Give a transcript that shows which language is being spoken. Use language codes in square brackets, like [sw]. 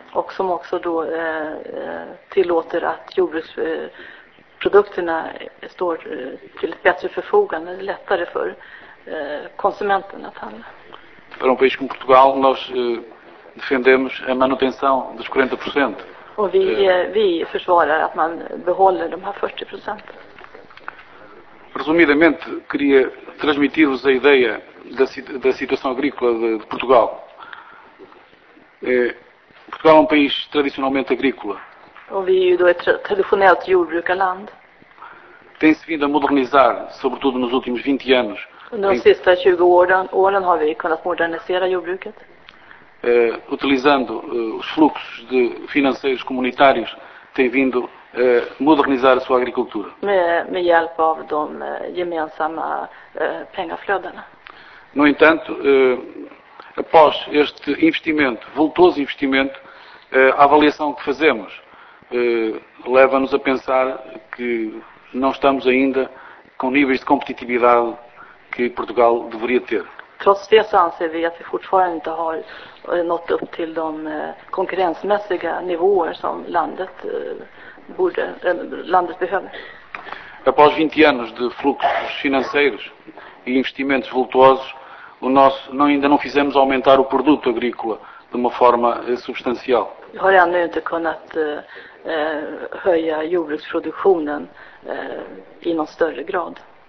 [sv] Och som också då tillåter att jordbruksprodukterna står till ett bättre förfogande, lättare för konsumenten att handla. [pt] Para um país como Portugal, nós defendemos a manutenção dos 40%. [sv] Och vi försvarar att man behåller de här 40%. [pt] Resumidamente, queria transmitir-vos a ideia da situação agrícola de Portugal. Portugal é um país tradicionalmente agrícola. [sv] Och vi är ju då ett traditionellt jordbrukarland. [pt] Tem-se vindo a modernizar, sobretudo nos últimos 20 anos. [sv] Under de sista 20 åren har vi kunnat modernisera jordbruket. [pt] Utilizando os fluxos de financeiros comunitários, tem vindo a modernizar a sua agricultura. [sv] Med hjälp av de gemensamma pengaflödena. [pt] No entanto, após este investimento, vultuoso investimento, a avaliação que fazemos leva-nos a pensar que não estamos ainda com níveis de competitividade que Portugal deveria ter. [sv] Trots det så anser vi att vi fortfarande inte har nått upp till de konkurrensmässiga nivåer som landet behöver. [pt] Após 20 anos de fluxos financeiros e investimentos vultuosos, ainda não fizemos aumentar o produto agrícola de uma forma substancial. [sv] Vi har ännu inte kunnat höja jordbruksproduktionen i någon större grad.